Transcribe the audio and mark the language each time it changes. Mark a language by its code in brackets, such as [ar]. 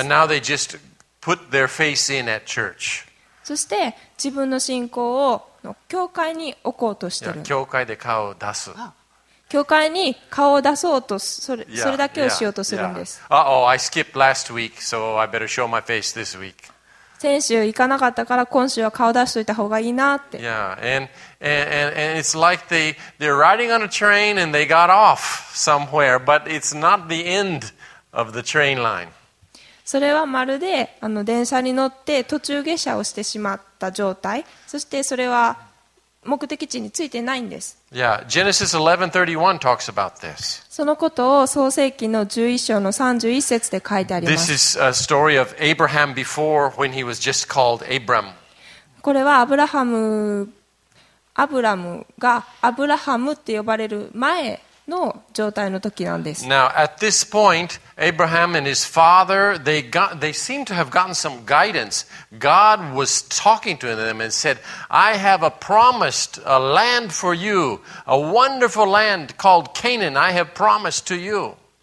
[en] And now they just put their face in at church. [ja] そして自分の信仰を教会に置こうとしてる。教会で顔を出す。教会に顔を出そうとそれだけをしようとするんです。 [en] Uh-oh, I skipped last week, so I better show my face this week. [ja] 先週行かなかったから今週は顔出しといた方がいいなって。 [en] Yeah, and it's like they're riding on a train and they got off somewhere, but it's not the end of the train line. [ja] それはまるで電車に乗って途中下車をしてしまった状態。そしてそれは目的地についてないんです。 [en] Yeah, Genesis 11:31 talks about this. [ja] そのことを創世記の11章の31節で書いてあります。 [en] This is a story of Abraham before when he was just called Abram. [ja] これはアブラムがアブラハムって呼ばれる前の状態の時なんです。 [en] Now, at this point, Abraham and his father, they seem to have gotten some guidance. God was talking to them and said, I have a promised a land for you, a wonderful land called Canaan, I have promised to you.